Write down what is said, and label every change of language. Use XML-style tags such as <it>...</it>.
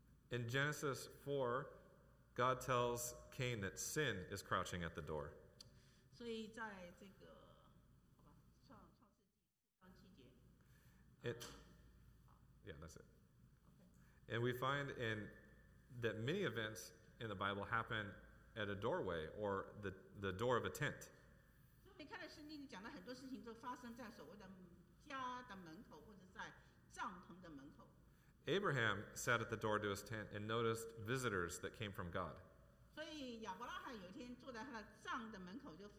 <en>In Genesis 4, God tells Cain that sin is crouching at the door.</en> <zh>所以在这个，好吧，创世纪第7节。</zh> <en>That's it. Okay. And we find in that many events in the Bible happen at a doorway or the door of a tent.</en> <zh>所以看到圣经里讲的很多事情都发生在所谓的家的门口或者在帐篷的门口。</zh> <en>Abraham sat at the door to his tent and noticed visitors that came from God.</en> <zh>所以亚伯拉罕有一天坐在他的帐的门口</zh>